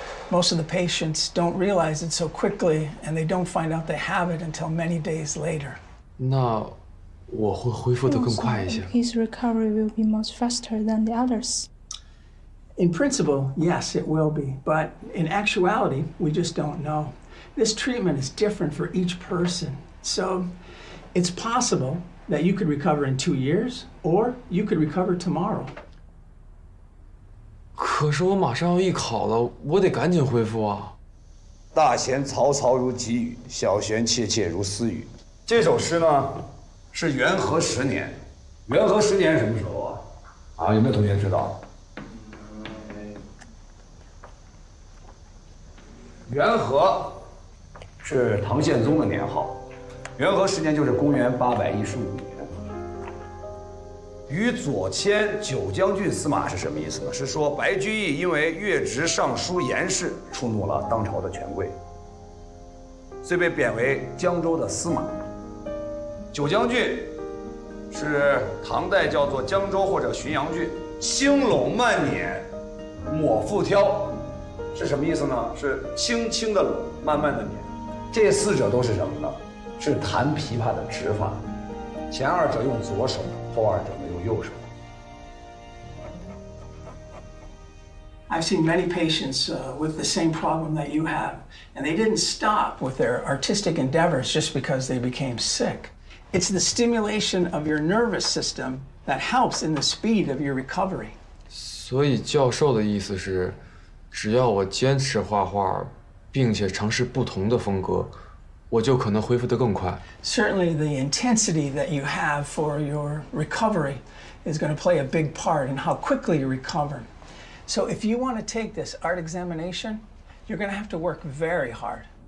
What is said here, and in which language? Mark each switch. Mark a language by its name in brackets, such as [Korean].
[English] Most of the patients don't realize it so quickly, and they don't find out they have it until many days later. [Chinese] 那我会恢复得更快一些。 [English] His recovery will be much faster than the others. In principle, yes, it will be. But in actuality, we just don't know. This treatment is different for each person. So it's possible that you could recover in 2 years, or you could recover tomorrow. [Chinese] 可是我马上要艺考了，我得赶紧恢复啊。大弦嘈嘈如急雨，小弦切切如私语。这首诗呢是元和十年。元和十年什么时候啊？啊，有没有同学知道？元和是唐宪宗的年号，元和十年就是公元815年。与左迁九江郡司马是什么意思呢？是说白居易因为越职尚书言事触怒了当朝的权贵，所以被贬为江州的司马。九江郡是唐代叫做江州或者浔阳郡。青龙慢辇抹复挑是什么意思呢？是轻轻的龙，慢慢的辇。这四者都是什么呢？是弹琵琶的指法，前二者用左手，后二者用右手。 [English] I've seen many patients with the same problem that you have, and they didn't stop with their artistic endeavors just because they became sick. It's the stimulation of your nervous system that helps in the speed of your recovery. [Chinese] 所以教授的意思是，只要我坚持画画，并且尝试不同的风格，我就可能恢复得更快。 [English] Certainly, the intensity that you have for your recovery is going to play a big part in how quickly you recover. So, if you want to take this art examination, you're going to have to work very hard.